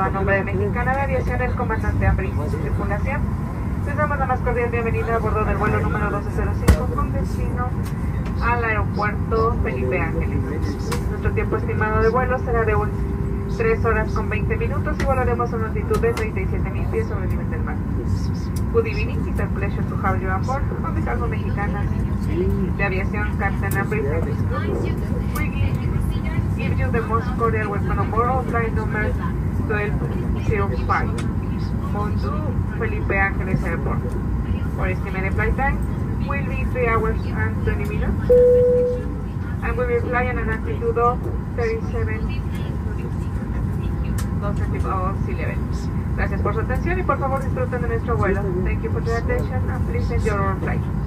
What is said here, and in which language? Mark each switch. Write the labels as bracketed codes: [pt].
[es] A nombre de Mexicana de Aviación, el comandante Ambriz, tripulación. Les damos la más cordial bienvenida a bordo del vuelo número 1205 con destino al aeropuerto Felipe Ángeles. Nuestro tiempo estimado de vuelo será de 3 horas con 20 minutos y volaremos a una altitud de 37.000 pies sobre el nivel del mar. [en] Good evening, it's a pleasure to have you on board. On behalf of Mexicana de Aviación, Captain Ambriz, give you the most cordial welcome on board of flight number 1205 on to Felipe Ángeles Airport. For estimated flight time will be 3 hours and 20 minutes and we will fly at an altitude of 37.11. [es] Gracias por su atención y por favor disfruten de nuestro vuelo. [en] Thank you for your attention and please enjoy your flight.